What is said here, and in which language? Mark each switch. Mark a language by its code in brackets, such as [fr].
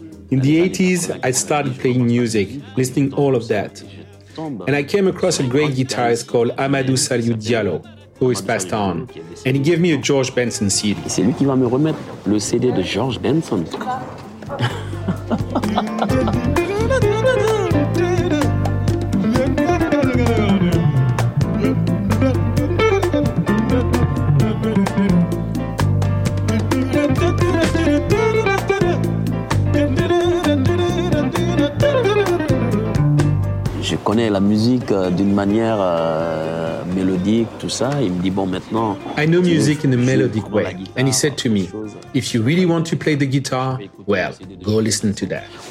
[en] In the 80s, I started playing music, listening to all of that. And I came across a great guitarist called Amadou Sadio Diallo, who is passed on, and he gave me a George Benson CD. [fr] C'est lui qui va me remettre le CD de George Benson. Je connais la musique d'une manière mélodique, tout ça. Il me dit bon maintenant. [en] I know music in a melodic way, and he said to me, if you really want to play the guitar, well, go listen to that.